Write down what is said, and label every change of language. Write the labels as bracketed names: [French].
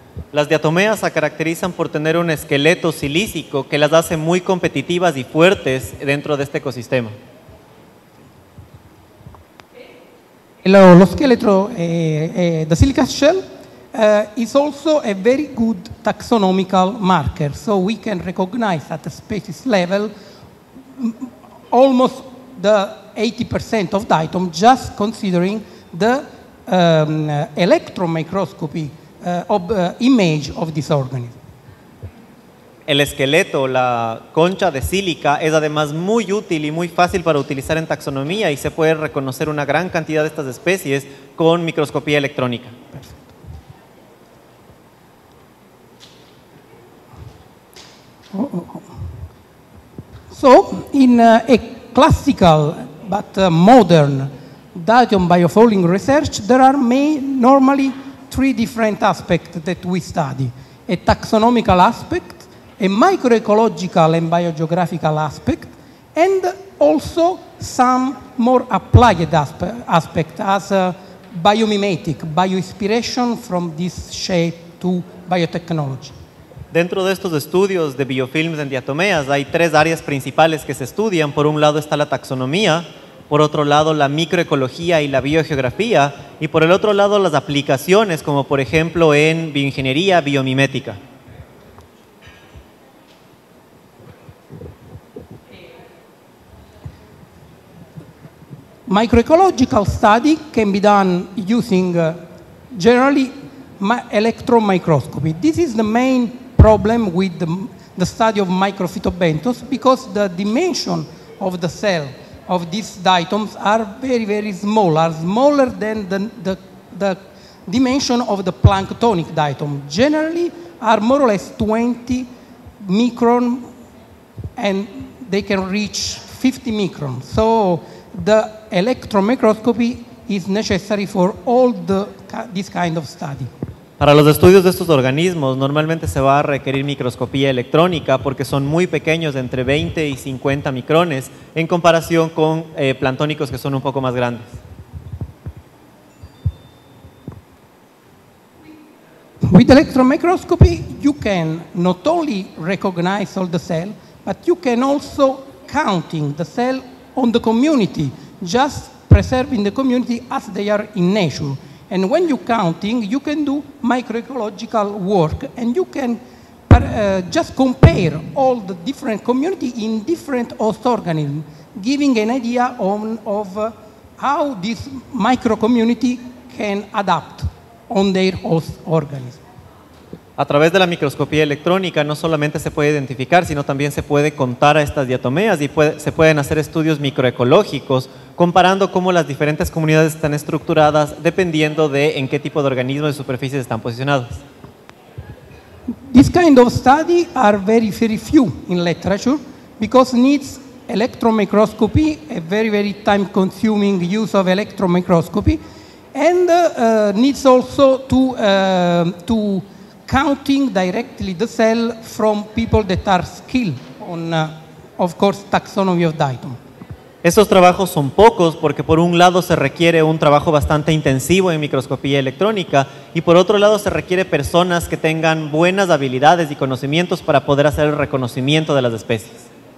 [Spanish] Las diatomeas se caracterizan por tener un esqueleto silícico que las hace muy competitivas y fuertes dentro de este ecosistema. Lo esqueleto de [English] silica shell is also a very good taxonomical marker, so we can recognize at the species level almost the 80% of diatom just considering the electron microscopy of image of this organism. [Spanish] El esqueleto, la concha de sílica, es además muy útil y muy fácil para utilizar en taxonomía y se puede reconocer una gran cantidad de estas especies con microscopía electrónica. [English] So, in a classical but modern diatom biofouling research, there are normally three different aspects that we study: a taxonomical aspect, a microecological and biogeographical aspect, and also some more applied aspect as biomimetic, bioinspiration from this shape to biotechnology. [Spanish] Dentro de estos estudios de biofilms en diatomeas, hay tres áreas principales que se estudian. Por un lado está la taxonomía, por otro lado la microecología y la biogeografía, y por el otro lado las aplicaciones, como por ejemplo en bioingeniería biomimética. [English] Microecological study can be done using generally electron microscopy. This is the main problem with the study of microphytobentos because the dimension of the cell of these diatoms are very, very small, are smaller than the dimension of the planktonic diatom. Generally, are more or less 20 micron and they can reach 50 microns. So the electron microscopy is necessary for all this kind of study. [Spanish] Para los estudios de estos organismos, normalmente se va a requerir microscopía electrónica porque son muy pequeños, entre 20 y 50 micrones, en comparación con planctónicos que son un poco más grandes. [English] With electron microscopy, you can not only recognize all the cell, but you can also counting the cell on the community, just preserving the community as they are in nature. And when you're counting, you can do microecological work and you can just compare all the different community in different host organisms, giving an idea of how this micro community can adapt on their host organism. [Spanish] A través de la microscopía electrónica, no solamente se puede identificar, sino también se puede contar a estas diatomeas y se pueden hacer estudios microecológicos comparando cómo las diferentes comunidades están estructuradas dependiendo de en qué tipo de organismos y superficies están posicionados. [English] This kind of study are very, very few in literature because needs electron microscopy, a very, very time consuming use of electron microscopy, and needs also to counting directly the cell from people that are skilled on, of course, taxonomy of diatom. [Spanish] Estos trabajos son pocos porque por un lado se requiere un trabajo bastante intensivo en microscopía electrónica y por otro lado se requiere personas que tengan buenas habilidades y conocimientos para poder hacer el reconocimiento de las especies.